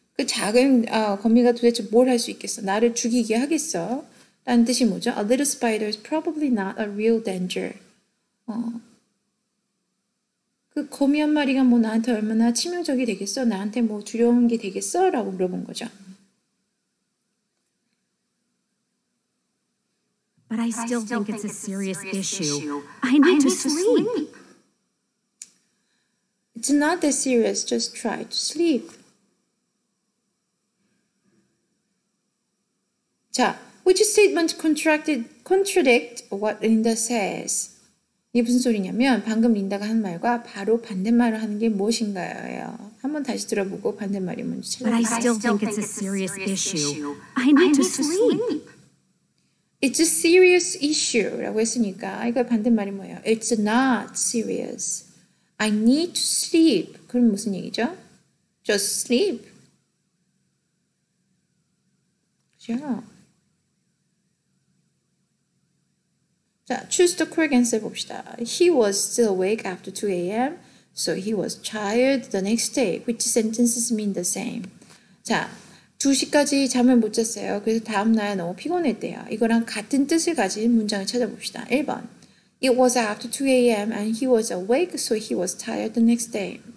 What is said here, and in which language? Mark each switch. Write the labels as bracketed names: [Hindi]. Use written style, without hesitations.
[Korean] 그 작은 거미가 도대체 뭘 할 수 있겠어? 나를 죽이게 하겠어? 라는 뜻이 뭐죠? [English] A little spider is probably not a real danger. [Korean] 그 거미 한 마리가 뭐 나한테 얼마나 치명적이 되겠어? 나한테 뭐 두려운 게 되겠어? 라고 물어본 거죠. [English] But I still think it's a serious issue. I need to sleep. It's not that serious. Just try to sleep. 자, which statement contradict what Linda says? [Korean] 이게 무슨 소리냐면 방금 린다가 한 말과 바로 반대말을 하는 게 무엇인가요? 한번 다시 들어보고 반대말이 뭔지 찾아볼게요. [English] But I still think it's a serious issue. I need to sleep. It's a serious issue [Korean] 라고 했으니까 이거 반대말이 뭐예요? [English] It's not serious. I need to sleep. [Korean] 그럼 무슨 얘기죠? [English] Just sleep. 자, choose the correct answer 봅시다. He was still awake after 2 a.m. So he was tired the next day. Which sentences mean the same? [Korean] 자, 2시까지 잠을 못 잤어요. 그래서 다음 날 너무 피곤했대요. 이거랑 같은 뜻을 가진 문장을 찾아봅시다. [English] 1번. It was after 2 a.m. and he was awake, so he was tired the next day.